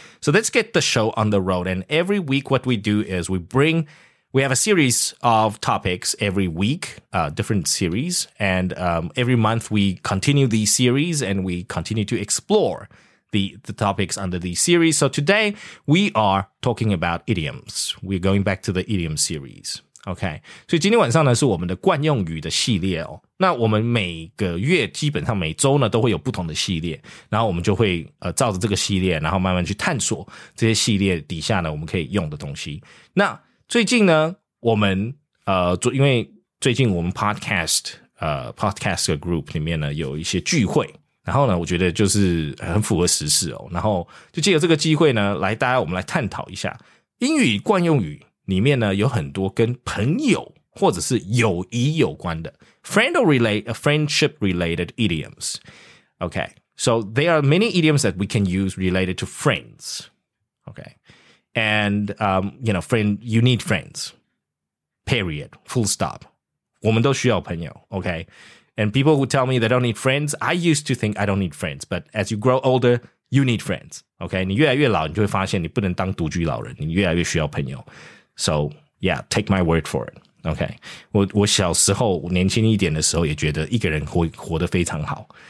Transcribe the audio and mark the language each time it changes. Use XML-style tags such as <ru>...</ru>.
<en>So let's get the show on the road. And every week what we do is we have a series of topics every week, different series. And every month we continue these series and we continue to explore the topics under these series. So today we are talking about idioms. We're going back to the idiom series.</en> <zh>OK, 所以今天晚上呢是我们的惯用语的系列哦。那我们每个月基本上每周呢都会有不同的系列，然后我们就会照着这个系列，然后慢慢去探索这些系列底下呢我们可以用的东西。那最近呢我们因为最近我们 podcast group 里面呢有一些聚会，然后呢我觉得就是很符合时事哦，然后就借由这个机会呢来大家我们来探讨一下英语惯用语里面呢有很多跟朋友或者是友谊有关的</zh> <en>friendship related idioms. Okay, so there are many idioms that we can use related to friends. Okay, and friend, you need friends. Period. Full stop.</en> <zh>我们都需要朋友.</zh> <en>Okay, and people who tell me they don't need friends, I used to think I don't need friends, but as you grow older, you need friends.</en> <zh>Okay, 你越来越老，你就会发现你不能当独居老人，你越来越需要朋友。</zh> <en>So, yeah, take my word for it. Okay.</en> <zh>我小时候年轻一点的时候也觉得一个人活得非常好。</zh>